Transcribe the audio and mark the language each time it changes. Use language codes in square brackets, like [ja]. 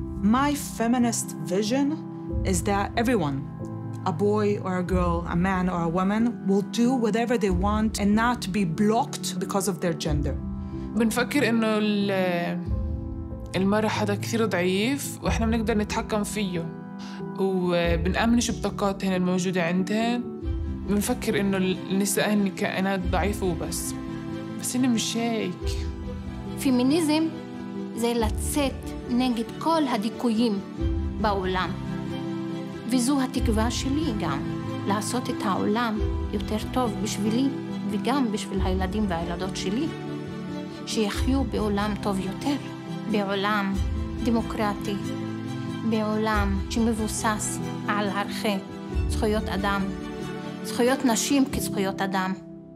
[en] My feminist vision is that everyone, a boy or a girl, a man or a woman, will do whatever they want and not be blocked because of their gender. [ar] بنفكر انه المرأة حدا كثير ضعيف واحنا بنقدر نتحكم فيه وبنأمنش بطاقاتهن الموجودة عندهن. بنفكر انه النساء هن كائنات ضعيفة وبس. بس هن مش هيك. فيمينيزم زي [he] لצאת نגד كل הדיכויים בעולם. וזו התקווה שלי גם, לעשות את העולם יותר טוב בשבילי וגם בשביל הילדים והילדות שלי, שיחיו בעולם טוב יותר, בעולם דמוקרטי, בעולם שמבוסס על ערכי זכויות אדם, זכויות נשים כזכויות אדם.